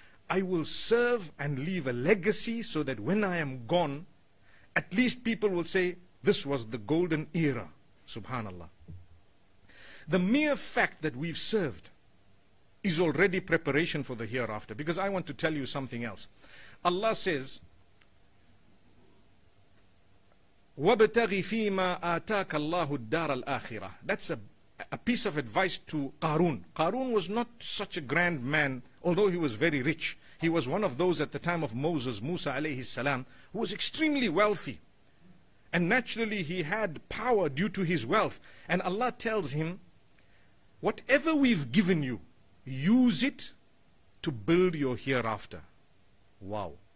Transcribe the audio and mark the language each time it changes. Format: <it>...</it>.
<en>I will serve and leave a legacy so that when I am gone, at least people will say, this was the golden era. Subhanallah. The mere fact that we've served is already preparation for the hereafter. Because I want to tell you something else. Allah says,</en> <ar>وَابْتَغِ فِي مَا آتَاكَ اللَّهُ الدَّارَ الْآخِرَةِ.</ar> <en>That's a piece of advice to Qarun. Qarun was not such a grand man, although he was very rich. He was one of those at the time of Moses, Musa alayhi salam, who was extremely wealthy. And naturally he had power due to his wealth. And Allah tells him, whatever we've given you, use it to build your hereafter. Wow.</en>